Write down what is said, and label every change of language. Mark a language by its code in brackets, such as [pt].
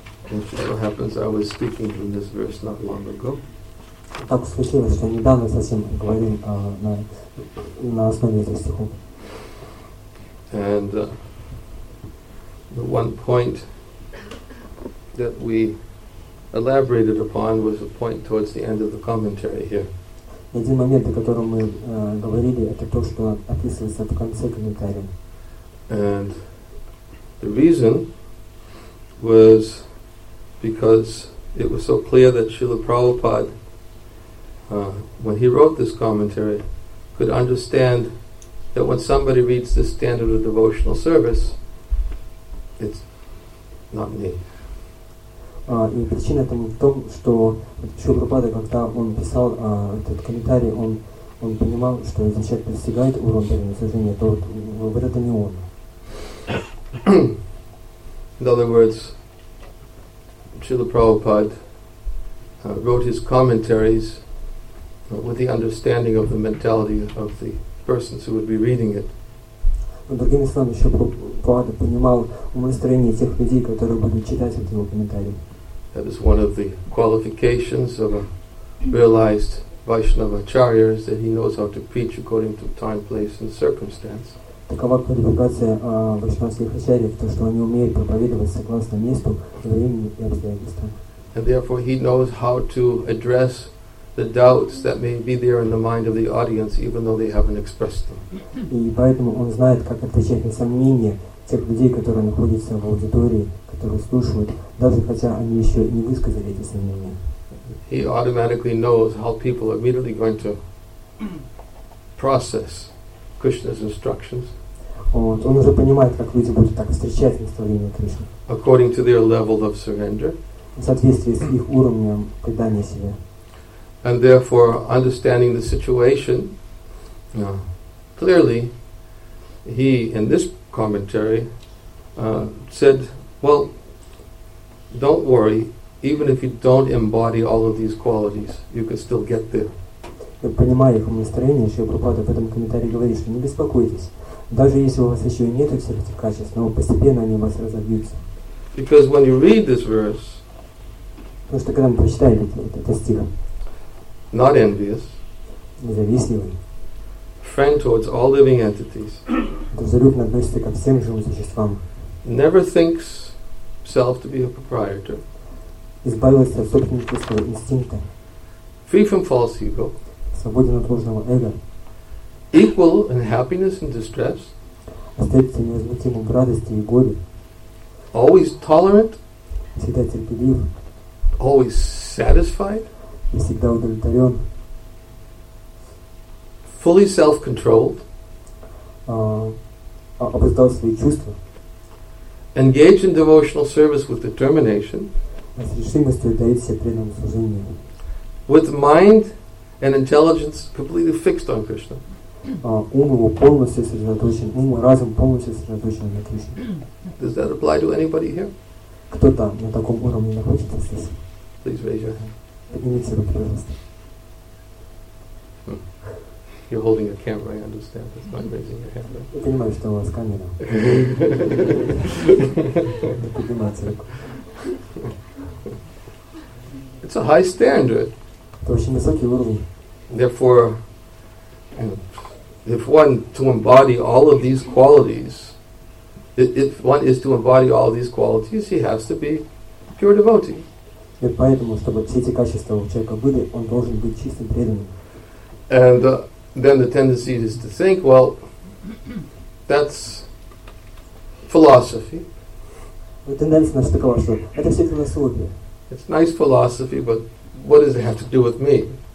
[en] Whatever happens, I was speaking from this verse not long ago. [ru] Так случилось, что недавно совсем говорил на основе этих стихов. [en] And the one point that we elaborated upon was a point towards the end of the commentary here. [ru] Один момент, о котором мы говорили, это то, что описывается в конце комментария. [en] And the reason was because it was so clear that Srila Prabhupada, when he wrote this commentary, could understand that when somebody reads this standard of devotional service, it's not me. [ru] И причина этому в том, что Шрила Прабхупада, когда он писал этот комментарий, он понимал, что если человек достигает уровня служения, то вот это не он. [en] In other words, Srila Prabhupada wrote his commentaries with the understanding of the mentality of the persons who would be reading it. [ru] Другими словами, Шрила Прабхупада понимал умонастроение тех людей, которые будут читать этот его комментарий. [en] That is one of the qualifications of a realized Vaishnava Acharya, is that he knows how to preach according to time, place, and circumstance. [ru] Такова квалификация вайшнавских ачарий, то что они умеют проповедовать согласно месту, времени и обстоятельствам. [en] And therefore he knows how to address the doubts that may be there in the mind of the audience, even though they haven't expressed them. [ru] И поэтому он знает, как отвечать на сомнения тех людей, которые находятся в аудитории, которые слушают, даже хотя они еще не высказали эти сомнения. [en] He automatically knows how people are immediately going to process Krishna's instructions. [ru] Вот, он уже понимает, как люди будут так встречать наставления Кришны. [en] According to their level of surrender. [ru] В соответствии с их уровнем предания себе. [en] And therefore, understanding the situation, clearly, he in this commentary said, well, don't worry, even if you don't embody all of these qualities, you can still get there. [ru] Я понимаю их настроение, что Прабхупада в этом комментарии говорит, что не беспокойтесь. Даже если у вас еще и нет всех этих качеств, но постепенно они у вас разобьются. [en] Because when you read this verse, [ru] потому что когда мы прочитаем этот стих, [en] not envious, [ru] независимый, [en] friend towards all living entities, [ru] дружелюбно относится ко всем живым существам, [en] never thinks self to be a proprietor, [ru] избавился от собственнического инстинкта, [en] free from false ego, [ru] свободен от ложного эго, [en] equal in happiness and distress, [ru] остается невозмутимым в радости и горе, [en] always tolerant, [ru] всегда терпелив, [en] always satisfied, [ru] и всегда удовлетворен, [en] fully self-controlled, [ru] обуздал свои чувства, [en] engage in devotional service with determination, [ru] с решимостью отдает себя преданному служению, [en] with mind and intelligence completely fixed on Krishna, [ru] ум его полностью сосредоточен, ум и разум полностью сосредоточен на Кришне. [en] Does that apply to anybody here? [ru] Кто там на таком уровне находится здесь? [en] Please raise your hand. [ru] Поднимите руки, пожалуйста. [en] You're holding a camera, I understand. That's not raising your hand, right? [ru] Я понимаю, что у вас камера. Поднимайте руку. [en] It's a high standard. [ru] Это очень высокий уровень. [en] Therefore, if one to embody all of these qualities, if one is to embody all of these qualities, he has to be pure devotee. [ru] И поэтому, чтобы все эти качества у человека были, он должен быть чистым преданным. [en] And then the tendency is to think, well, that's philosophy. It's nice philosophy, but what does it have to do with me?